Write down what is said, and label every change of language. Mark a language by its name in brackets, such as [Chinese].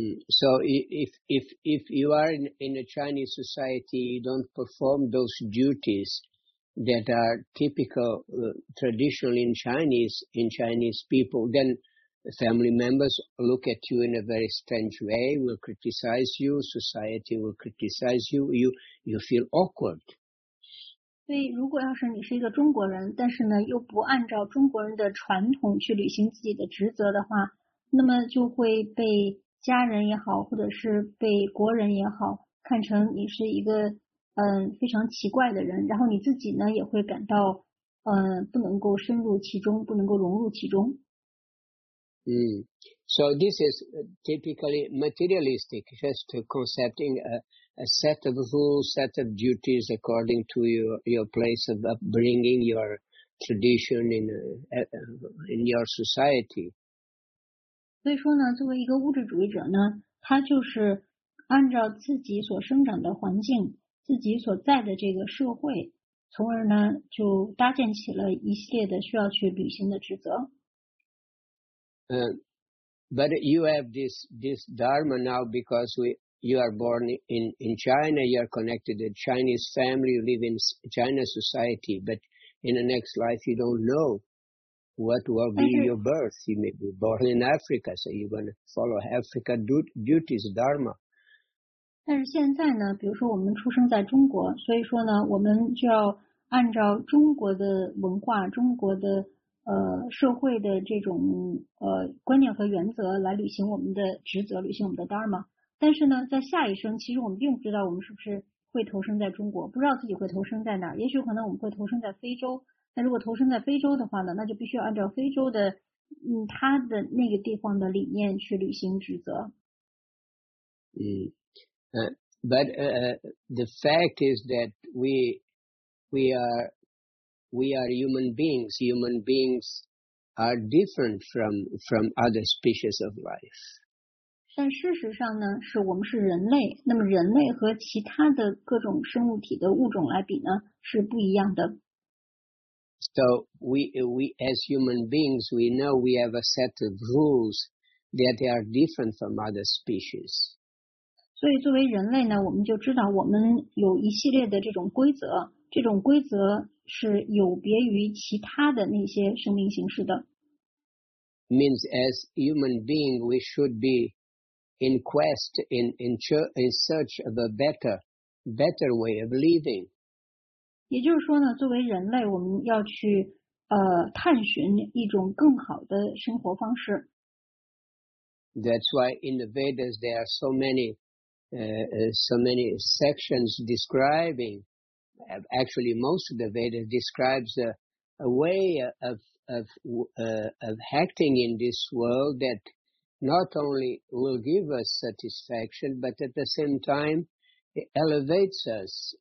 [English] So if you are in a Chinese society, you don't perform those duties that are typical traditionally in Chinese people, then family members look at you in a very strange way, will criticize you, society will criticize you, you feel awkward. [Chinese] 所以如果要是你是一个中国人，但是呢又不按照中国人的传统去履行自己的职责的话，那么就会被家人也好，或者是被国人也好，看成你是一个非常奇怪的人，然后你自己呢也会感到不能够深入其中，不能够融入其中。 [English] So this is typically materialistic, just concepting a set of rules, set of duties according to your place of upbringing, your tradition in your society. [Chinese] 所以说呢，作为一个物质主义者呢，他就是按照自己所生长的环境，自己所在的这个社会，从而呢就搭建起了一系列的需要去履行的职责。 [English] But you have this dharma now because you are born in China, you are connected to a Chinese family, you live in China society, but in the next life you don't know what will be your birth. You may be born in Africa, so you're going to follow Africa duties, dharma. [Chinese] 但是现在呢，比如说我们出生在中国，所以说呢，我们就要按照中国的文化，中国的社会的这种观念和原则来履行我们的职责，履行我们的 dharma。但是呢，在下一生，其实我们并不知道我们是不是会投生在中国，不知道自己会投生在哪儿。也许可能我们会投生在非洲。那如果投生在非洲的话呢，那就必须要按照非洲的他的那个地方的理念去履行职责。 [English] But the fact is that we are human beings. Human beings are different from other species of life. [Chinese] 但事实上呢，是我们是人类。那么人类和其他的各种生物体的物种来比呢，是不一样的。 [English] So we as human beings, we know we have a set of rules that they are different from other species. [Chinese] 所以作为人类呢，我们就知道我们有一系列的这种规则，这种规则是有别于其他的那些生命形式的。 [English] Means as human being, we should be in quest, in search of a better way of living. [Chinese] 也就是说呢，作为人类，我们要去探寻一种更好的生活方式。 [English] That's why in the Vedas there are so many sections describing. Actually, most of the Vedas describes a way of acting in this world that not only will give us satisfaction, but at the same time it elevates us.